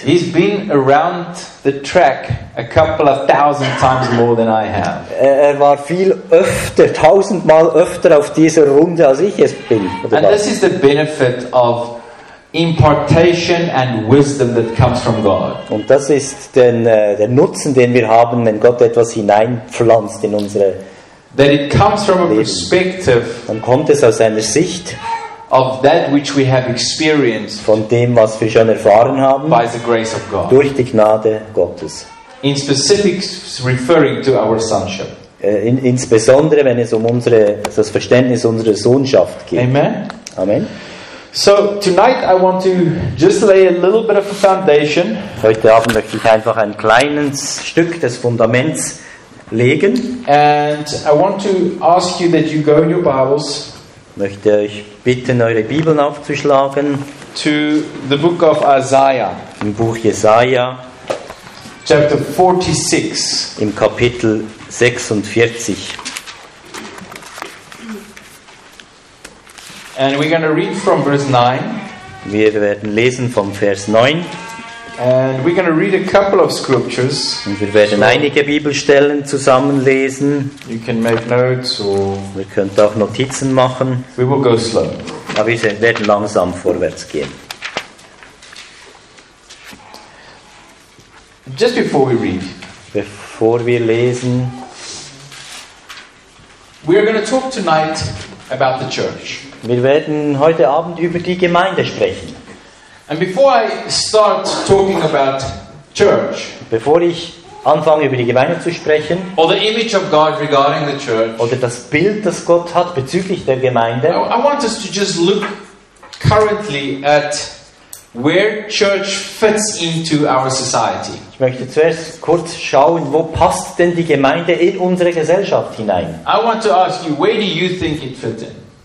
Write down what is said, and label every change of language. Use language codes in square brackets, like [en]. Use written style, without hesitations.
[en] he's been around the track a couple of thousand times more than I have. [de] Er war viel öfter, tausendmal öfter auf dieser Runde als ich es bin. [en] And this is the benefit of impartation and wisdom that comes from God. [de] Und das ist der Nutzen, den wir haben, wenn Gott etwas hineinpflanzt in unsere Leben. [en] That it comes from a perspective. [de] Dann kommt es aus einer Sicht. [en] Of that which we have experienced, [de] von dem, was wir schon erfahren haben, [en] by the grace of God, [de] durch die Gnade Gottes. [en] In specifics referring to our sonship. [de] Insbesondere, wenn es um das Verständnis unserer Sohnschaft geht. [en] Amen. [de] Amen. [en] So tonight I want to just lay a little bit of a foundation. [de] Heute Abend möchte ich einfach ein kleines Stück des Fundaments legen. [en] And I want to ask you that you go in your Bibles. [de] Möchte euch bitten, eure Bibeln aufzuschlagen. [en] To the book of Isaiah. [de] Im Buch Jesaja. [en] Chapter 46. [de] Im Kapitel 46. [en] And we're going to read from verse 9. [de] Wir werden lesen vom Vers 9. [en] And we're going to read a couple of scriptures. [de] Und wir werden so einige Bibelstellen zusammenlesen. [en] You can make notes or. [de] Wir können auch Notizen machen. [en] We will go slow. [de] Aber wir werden langsam vorwärts gehen. [en] Just before we read. [de] Bevor wir lesen. [en] We are going to talk tonight about the church. [de] Wir werden heute Abend über die Gemeinde sprechen. [en] And before I start talking about church, [de] bevor ich anfange über die Gemeinde zu sprechen, [en] or the image of God regarding the church, [de] oder das Bild, das Gott hat bezüglich der Gemeinde, [en] I want us to just look currently at where church fits into our society. [de] Ich möchte zuerst kurz schauen, wo passt denn die Gemeinde in unsere Gesellschaft hinein? [en] I want to ask you, where do you think it fits in?